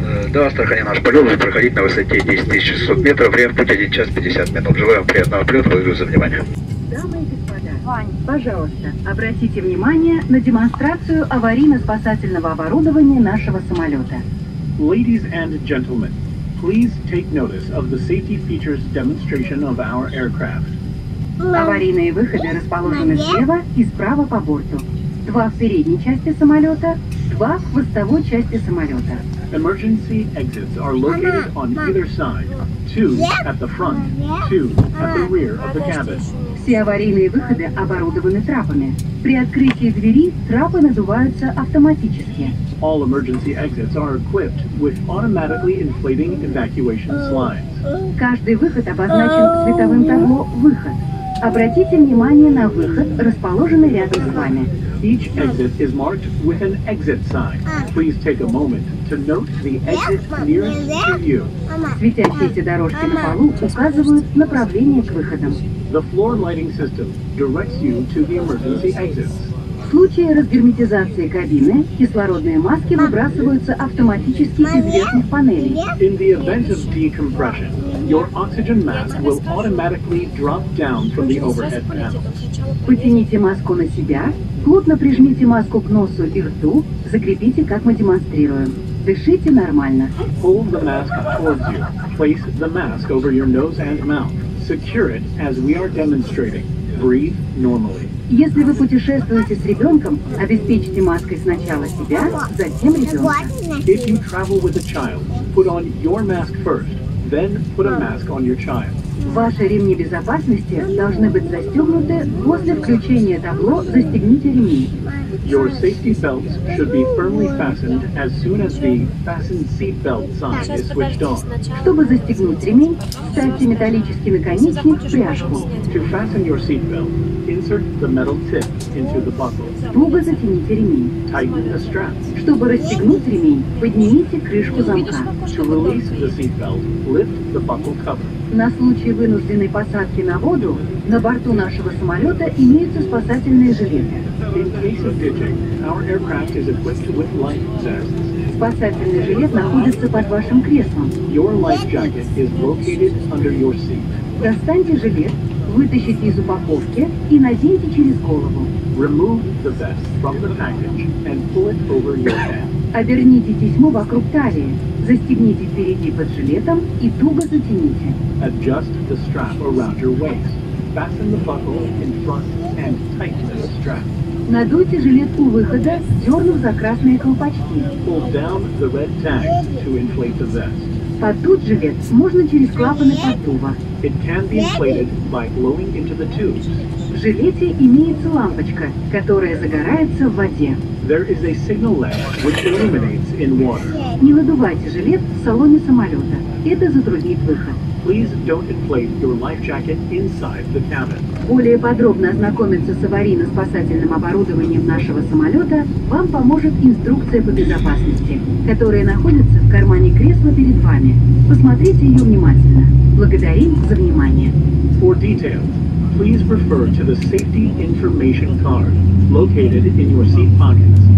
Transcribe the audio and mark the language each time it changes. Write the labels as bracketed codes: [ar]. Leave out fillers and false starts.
[ru] До Астрахани наш полет будет проходить на высоте 10 600 метров. Время путь 1 час 50 минут. Желаем приятного полета. Благодарю за внимание. Вань, пожалуйста, обратите внимание на демонстрацию аварийно-спасательного оборудования нашего самолета. [en] Ladies and gentlemen, please take notice of the safety features demonstration of our aircraft. [ru] Аварийные выходы расположены слева и справа по борту. Два в передней части самолета, два в хвостовой части самолета. [en] Emergency exits are located on either side. Two at the front, two at the rear of the cabin. [ru] Все аварийные выходы оборудованы трапами. При открытии двери трапы надуваются автоматически. [en] All emergency exits are equipped with automatically inflating evacuation slides. [ru] Каждый выход обозначен световым табло «Выход». Обратите внимание на выход, расположенный рядом с вами. [en] Each exit is marked with an exit sign. Please take a moment to note the exit nearest to you. [ru] Светящиеся дорожки на полу указывают направление к выходам. [en] The floor lighting system directs you to the emergency exits. [ru] В случае разгерметизации кабины кислородные маски выбрасываются автоматически из верхних панелей. [en] In the event of decompression, your oxygen mask will automatically drop down from the overhead panels. [ru] Потяните маску на себя, плотно прижмите маску к носу и рту, закрепите, как мы демонстрируем. Дышите нормально. [en] Hold the mask towards you. Place the mask over your nose and mouth. Secure it as we are demonstrating. Breathe normally. [ru] Если вы путешествуете с ребенком, обеспечьте маской сначала себя, затем ребенка. [en] If you travel with a child, put on your mask first, then put a mask on your child. [ru] Ваши ремни безопасности должны быть застегнуты после включения табло «Застегните ремни». [en] Your safety belts should be firmly fastened as soon as the fastened seat belt sign is switched on. [ru] Чтобы застегнуть ремень, ставьте металлический наконечник в пряжку. [en] To fasten your seat belt, insert the metal tip into the buckle. [ru] Туго затяните ремень. [en] Tighten the strap. [ru] Чтобы расстегнуть ремень, поднимите крышку замка. [en] To release the seat belt, lift the buckle cover. [ru] На случай вынужденной посадки на воду, на борту нашего самолета имеются спасательные жилеты. [en] In case of ditching, our aircraft is equipped with life vests. [ru] Спасательный жилет находится под вашим креслом. [en] Your life jacket is located under your seat. [ru] Достаньте жилет, вытащите из упаковки и наденьте через голову. [en] Remove the vest from the package and pull it over your head. [ru] Оберните тесьму вокруг талии. Застегните впереди под жилетом и туго затяните. [en] Adjust the strap around your waist. Fasten the buckle in front and tighten the strap. [ru] Надуйте жилет у выхода, дернув за красные колпачки. [en] Pull down the red tag to inflate the vest. [ru] Поддуть жилет можно через клапаны поддува. [en] It can be inflated by blowing into the tubes. [ru] В жилете имеется лампочка, которая загорается в воде. [en] There is a signal lamp which illuminates in water. [ru] Не надувайте жилет в салоне самолета. Это затруднит выход. [en] Please don't inflate your life jacket inside the cabin. [ru] Более подробно ознакомиться с аварийно-спасательным оборудованием нашего самолета вам поможет инструкция по безопасности, которая находится в кармане кресла перед вами. Посмотрите ее внимательно. Благодарим за внимание. [en] For details, please refer to the safety information card located in your seat pockets.